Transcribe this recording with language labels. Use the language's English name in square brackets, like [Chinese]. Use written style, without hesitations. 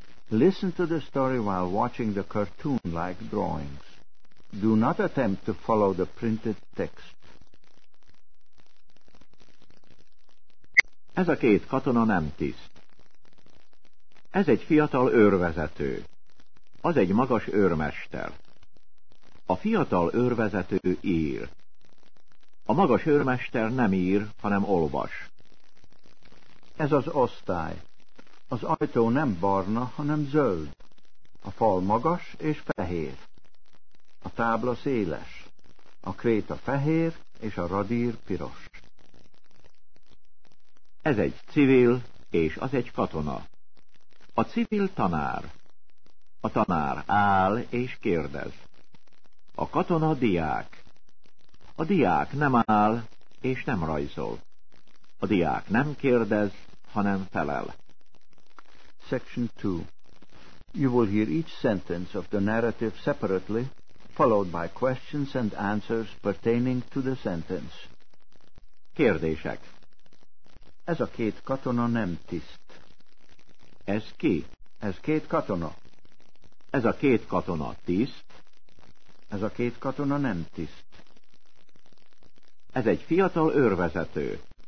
[English] Listen to the story while watching the cartoon-like drawings. Do not attempt to follow the printed text. [Hungarian] Ez a két katona nem tiszt. Ez egy fiatal őrvezető. Az egy magas őrmester. A fiatal őrvezető ír. A magas őrmester nem ír, hanem olvas. Ez az osztály. Az ajtó nem barna, hanem zöld. A fal magas és fehér. A tábla széles. A kréta fehér és a radír piros. Ez egy civil és az egy katona. A civil tanár. A tanár áll és kérdez. A katona diák. A diák nem áll és nem rajzol. A diák nem kérdez, hanem felel. [English] Section 2. You will hear each sentence of the narrative separately, followed by questions and answers pertaining to the sentence. [Hungarian] Kérdések. Ez a két katona nem tiszt. Ez ki? Ez két katona. Ez a két katona tiszt. Ez a két katona nem tiszt. Ez egy fiatal őrvezető.